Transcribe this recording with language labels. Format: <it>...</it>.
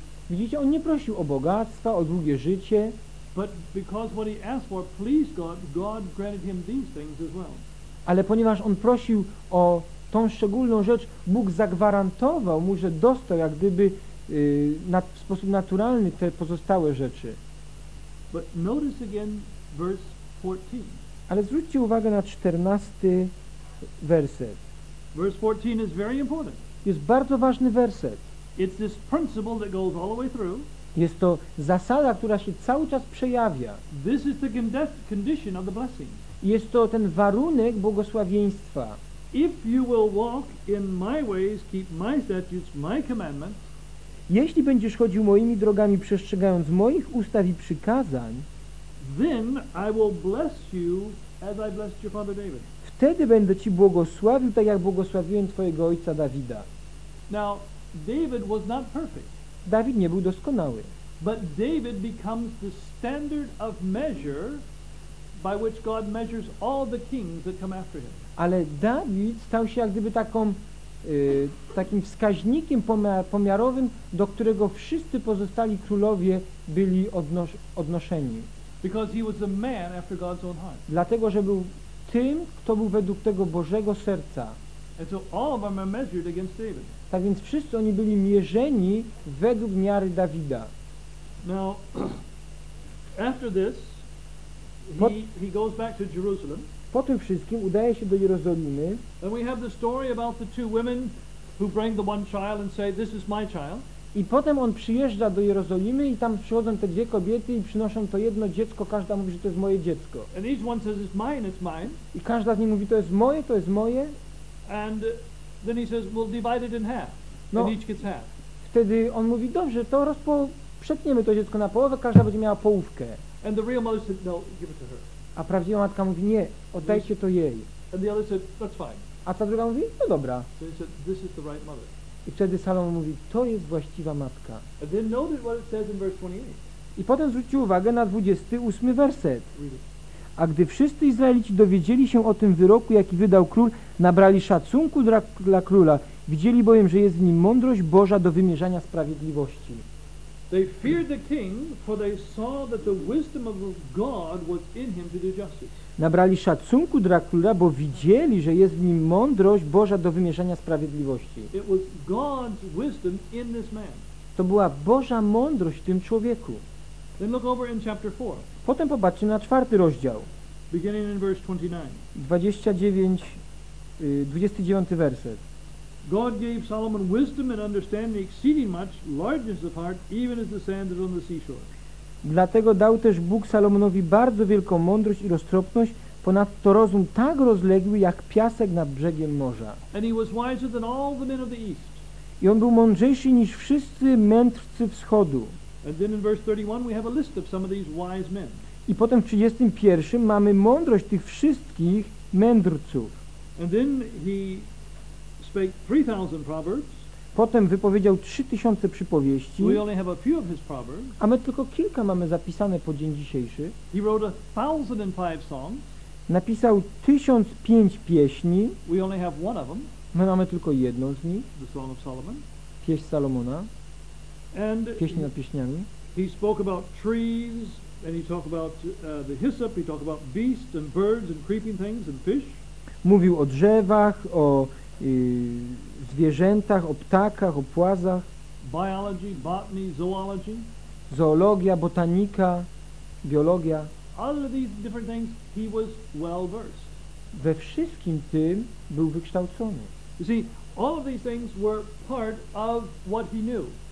<pl>Widzicie, on nie prosił o bogactwa, o długie życie.</pl> <en>But because what he asked for pleased God, God granted him these things as well.</en> <pl>Ale ponieważ on prosił o tą szczególną rzecz, Bóg zagwarantował mu, że dostał jak gdyby w sposób naturalny te pozostałe rzeczy.</pl> <en>But notice again verse 14.</en> <pl>Ale zwróćcie uwagę na 14 werset.</pl> <en>Verse 14 is very important.</en> <pl>Jest bardzo ważny werset.</pl> <en>It's this principle that goes all the way through.</en> <pl>Jest to zasada, która się cały czas przejawia.</pl> <en>This is the condition of the blessing.</en> <pl>Jest to ten warunek błogosławieństwa.</pl> <en>If you will walk in my ways, keep my statutes, my commandments,</en> <pl>jeśli będziesz chodził moimi drogami, przestrzegając moich ustaw i przykazań,</pl> <en>then I will bless you as I blessed your father David.</en> <pl>Wtedy będę ci błogosławił, tak jak błogosławiłem twojego ojca Dawida.</pl> <en>Now, David was not perfect.</en> <pl>Dawid nie był doskonały.</pl> <en>But David becomes the standard of measure by which God measures all the kings that come after him.</en> <pl>Ale Dawid stał się jak gdyby taką, takim wskaźnikiem pomiarowym, do którego wszyscy pozostali królowie byli odnoszeni.</pl> <en>Because he was a man after God's own heart.</en> <pl>Dlatego, że był tym, kto był według tego Bożego serca.</pl> <en>And so all of them are measured against David.</en> <pl>Tak więc wszyscy oni byli mierzeni według miary Dawida.</pl> <en>Now, after this, he goes back to Jerusalem.</en> <pl>Po tym wszystkim udaje się do Jerozolimy.</pl> <en>And we have the story about the two women who bring the one child and say, this is my child.</en> <pl>I potem on przyjeżdża do Jerozolimy i tam przychodzą te dwie kobiety i przynoszą to jedno dziecko, każda mówi, że to jest moje dziecko.</pl> <en>And each one says, it's mine, it's mine.</en> <pl>I każda z nich mówi, to jest moje, to jest moje.</pl> <en>And then he says, we'll divide it in half. No, and each gets half.</en> <pl>Wtedy on mówi, dobrze, to przetniemy to dziecko na połowę, każda będzie miała połówkę.</pl> <en>And the real mother said, no, give it to her.</en> <pl>A prawdziwa matka mówi, nie, oddajcie to jej.</pl> <en>And the other said, that's fine.</en> <pl>A ta druga mówi, no dobra.</pl> <en>So he said, this is the right mother.</en> <pl>I wtedy Salomon mówi, to jest właściwa matka.</pl> <en>And then notice what it says in verse 28.</en> <pl>I potem zwróćcie uwagę na 28 werset. A gdy wszyscy Izraelici dowiedzieli się o tym wyroku, jaki wydał król, nabrali szacunku dla króla. Widzieli bowiem, że jest w nim mądrość Boża do wymierzania sprawiedliwości.</pl> <en>They feared the king, for they saw that the wisdom of God was in him to do justice.</en> <pl>Nabrali szacunku dla króla, bo widzieli, że jest w nim mądrość Boża do wymierzania sprawiedliwości.</pl> <en>It was God's wisdom in this man.</en> <pl>To była Boża mądrość w tym człowieku.</pl> <en>Then look over in chapter 4.</en> <pl>Potem popatrzmy na czwarty rozdział.</pl> <en>Beginning in verse 29.</en> <pl>29 werset.</pl> <en>God gave Solomon wisdom and understanding exceeding much, largeness of heart, even as the sand that is on the seashore.</en> <pl>Dlatego dał też Bóg Salomonowi bardzo wielką mądrość i roztropność, ponadto rozum tak rozległy, jak piasek nad brzegiem morza.</pl> <en>And he was wiser than all the men of the east.</en> <pl>I on był mądrzejszy niż wszyscy mędrcy wschodu.</pl> <en>And then in verse 31 we have a list of some of these wise men.</en> <pl>I potem w 31 mamy mądrość tych wszystkich mędrców.</pl> <en>And then he spake 3,000 proverbs.</en> <pl>Potem wypowiedział 3000 przypowieści.</pl> <en>We only have a few of his proverbs.</en> <pl>A my tylko kilka mamy zapisane po dzień dzisiejszy.</pl> <en>He wrote 1,005 songs.</en> <pl>Napisał 1005 pieśni.</pl> <en>We only have one of them.</en> <pl>My mamy tylko jedną z nich.</pl> <en>The Song of Solomon.</en> <pl>Pieśń Salomona.</pl> <en>And</en> <pl>pieśni nad pieśniami.</pl> <en>He spoke about trees, and he talked about the hyssop. He talked about beasts and birds and creeping things and fish.</en> <pl>Mówił o drzewach, o zwierzętach, o ptakach, o płazach.</pl> <en>Biology, botany, zoology.</en> <pl>Zoologia, botanika, biologia.</pl> <en>All of these different things, he was well versed.</en> <pl>We wszystkim tym był wykształcony.</pl> <en>You see, all of these things were part of what he knew.</en>